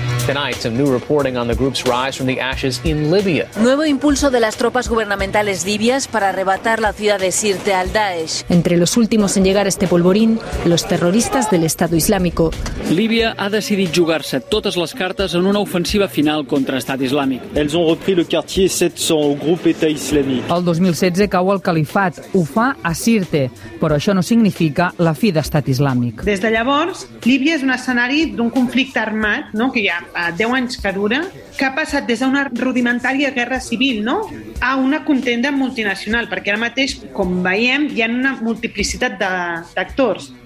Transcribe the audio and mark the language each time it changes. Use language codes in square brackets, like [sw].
[en] Tonight, some new reporting on the group's rise from the ashes in Libya. [es] Nuevo impulso de las tropas gubernamentales libias para arrebatar la ciudad de Sirte al Daesh. Entre los últimos en llegar a este polvorín, los terroristas del Estado Islámico. [ca] Líbia ha decidit jugar-se totes les cartes en una ofensiva final contra l'Estat Islàmic. Ells han repris el quartier 700 al grup État Islàmic. El 2016 cau el califat, ho fa a Sirte, però això no significa la fi d'Estat Islàmic. Des de llavors, Líbia és un escenari d'un conflicte armat, no, que hi ha 10 anys que dura, que ha passat des d'una rudimentària guerra civil, no, a una contenda multinacional, perquè ara mateix, com veiem, hi ha una multiplicitat d'actors.